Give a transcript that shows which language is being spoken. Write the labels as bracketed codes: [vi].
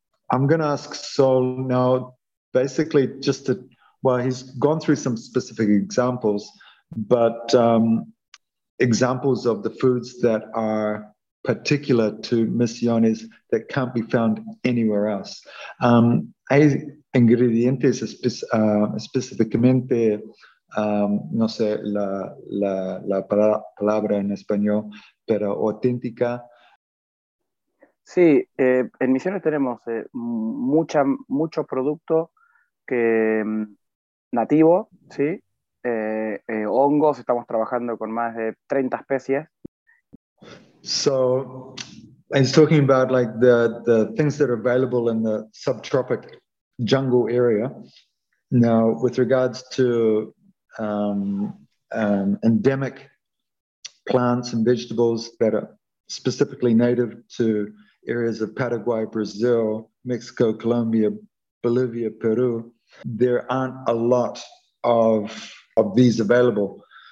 [en] I'm going to ask Saul now, basically just to, well, he's gone through some specific examples, but examples of the foods that are particular to Misiones that can't be found anywhere else. [es] Hay ingredientes específicamente, no sé la palabra en español, pero auténtica. Sí, en Misiones tenemos mucho producto que nativo, ¿sí? Hongos, estamos trabajando con más de 30 especies. [en] So, he's talking about like the things that are available in the subtropic jungle area. Now, with regards to endemic plants and vegetables that are specifically native to areas of Paraguay, Brazil, Mexico, Colombia, Bolivia, Peru, there aren't a lot of these available.